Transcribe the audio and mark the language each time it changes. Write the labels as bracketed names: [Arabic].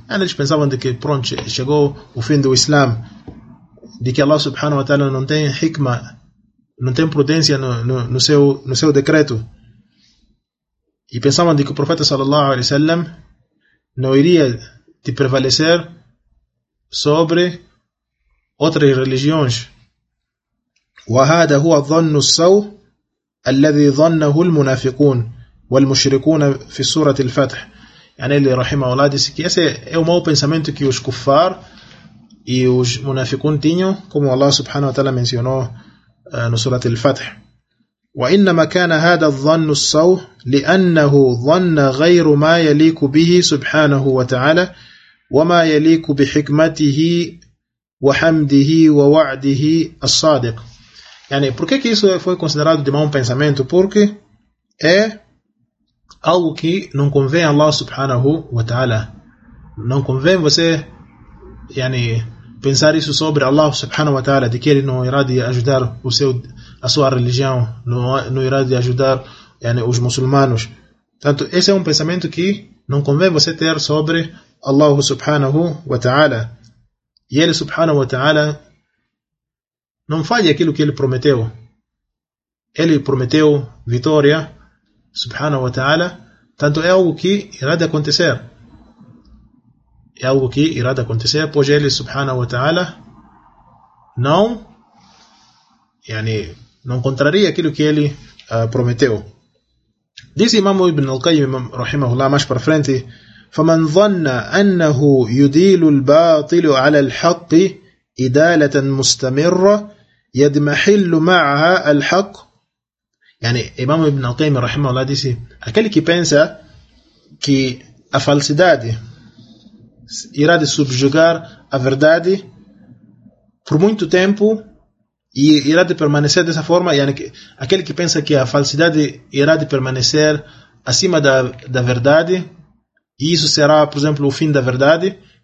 [Portuguese] Eles pensavam de que pronto, chegou o fim do Islam, de que Allah subhanahu wa ta'ala não tem hikma, não tem prudência no seu decreto. E pensavam de que o profeta sallallahu alaihi wasallam não iria te prevalecer sobre outras religiões. [Arabic] وَهَذَا هُوَ الظَّنُّ السَّوْءُ الَّذِي ظَنَّهُ الْمُنَافِقُونَ والمشركون في سورة الفتح. يعني اللي رحمه الله [Portuguese] disse que esse é o mau pensamento que os kuffar e os munafiqun tinham, como Allah subhanahu wa ta'ala mencionou no Surat al-Fatih. [Arabic] وإنما كان هذا الظن السوء لأنه ظن غير ما يليق به سبحانه وتعالى وما يليق بحكمته وحمده ووعده الصادق. [Portuguese] يعني por que isso foi considerado de mau pensamento? Porque é algo que não convém a Allah subhanahu wa ta'ala. Não convém você yani, pensar isso sobre Allah subhanahu wa ta'ala, de que ele não irá de ajudar a sua religião, não irá de ajudar yani, os muçulmanos. Portanto, esse é um pensamento que não convém você ter sobre Allah subhanahu wa ta'ala. E ele subhanahu wa ta'ala não falha aquilo que ele prometeu. Ele prometeu vitória subhanahu wa ta'ala, tanto é algo que irá de acontecer. É algo que irá de acontecer, pois ele, subhanahu wa ta'ala, não, yani, não contraria aquilo que ele prometeu. Diz Imam Ibn al-Qayyim, rahimahullah, mais para frente: [Arabic] فَمَنْ ظَنَّ أَنَّهُ يُدِيلُ الْبَاطِلُ عَلَى الْحَقِّ إِدَالَةً مُسْتَمِرَّ يَدْمَحِلُّ مَعَهَا الْحَقِّ. [Portuguese] Yani, Imam Ibn al-Qayyim rahimahullah disse: aquele que pensa que a falsidade irá de subjugar a verdade por muito tempo e irá de permanecer dessa forma, yani, aquele que pensa que a falsidade irá de permanecer acima da verdade e isso será, por exemplo, o fim da verdade.